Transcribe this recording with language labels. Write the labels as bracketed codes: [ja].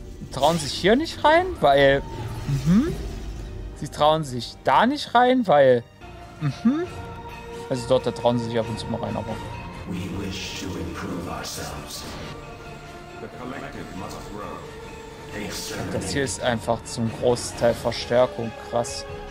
[de] Trauen sich hier nicht rein, weil... Sie trauen sich da nicht rein, weil... Also dort, da trauen sie sich ab und zu mal rein, aber... [en] We wish to improve ourselves. The collective must grow. [de] Das hier ist einfach zum Großteil Verstärkung, krass.